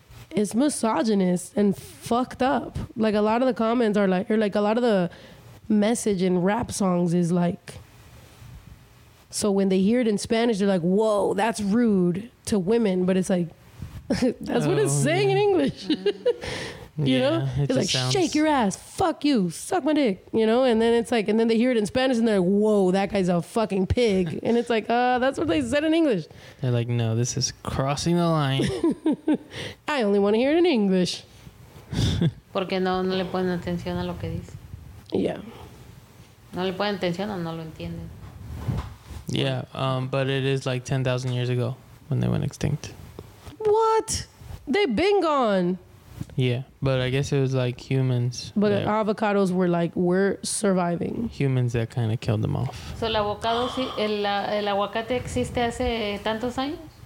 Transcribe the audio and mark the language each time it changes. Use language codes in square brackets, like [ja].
[en] It's misogynist and fucked up. Like, a lot of the comments are like, or like, a lot of the message in rap songs is like, so when they hear it in Spanish, they're like, whoa, that's rude to women, but it's like, that's what it's saying in English. You yeah, know, it's like sounds... shake your ass, fuck you, suck my dick, you know, and then it's like, and then they hear it in Spanish and they're like, whoa, that guy's a fucking pig. And it's like, that's what they said in English. They're like, no, this is crossing the line. I only want to hear it in English. [es] Porque no le ponen atención a lo que dice. [en] Yeah. [es] No le ponen atención o no lo entienden. [en] Yeah, but it is like 10,000 years ago when they went extinct. What? They've been gone. Yeah, but I guess it was like humans. But avocados were like, we're surviving. Humans that kind of killed them off. [es] So el avocado, el aguacate existe hace tantos años?